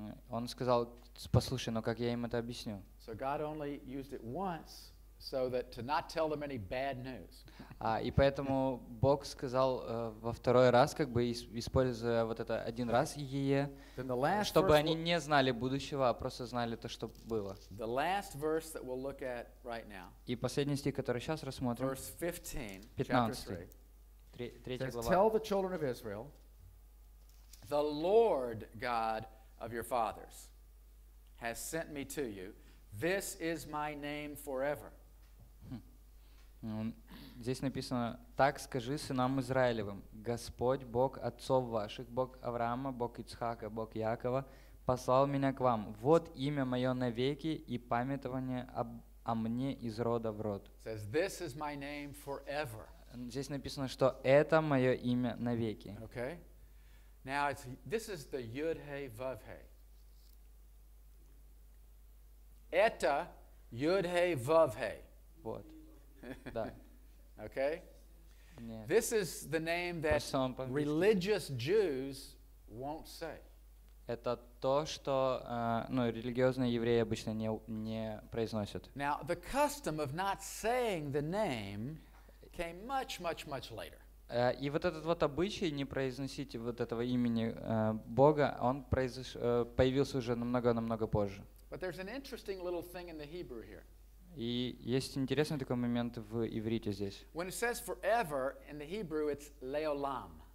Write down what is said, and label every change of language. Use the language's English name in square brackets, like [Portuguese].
[Russian] Он сказал: "Послушай, но как я им это объясню?" [English] So God only used it once, so that to not tell them any bad news. [Russian] И поэтому Бог сказал во второй раз, как бы используя вот это один раз ие, чтобы они не знали будущего, а просто знали то, что было. [English] The last verse that we'll look at right now. [Russian] И последний стих, который сейчас рассмотрим. [English] Verse 15, chapter 3. [Russian] Третья глава. [English] Tell the children of Israel, the Lord God of your fathers has sent me to you. This is my name forever. [Russian] Здесь написано: так скажи сынам Израилевым, Господь, Бог отцов ваших, Бог Авраама, Бог Ицхака, Бог Якова, послал меня к вам. Вот имя мое навеки и памятование о мне из рода в род. [English] Says, this is my name forever. [Russian] Здесь написано, что это мое имя навеки. [English] Okay. Now, this is the Yud-Heh-Vav-Heh. [Russian] Это Yud-Heh-Vav-Heh. Вот. Да. [English] Okay. [Russian] Нет. [English] This is the name that religious Jews won't say. [Russian] Это то, что религиозные евреи обычно не произносят. [English] Now the custom of not saying the name came much, much, much later. [Russian] И вот этот вот обычай не произносить вот этого имени Бога, он появился уже намного позже. [English] But there's an interesting little thing in the Hebrew here. [Russian] И есть интересный такой момент в иврите здесь. [English] When it says forever in the Hebrew, it's leolam.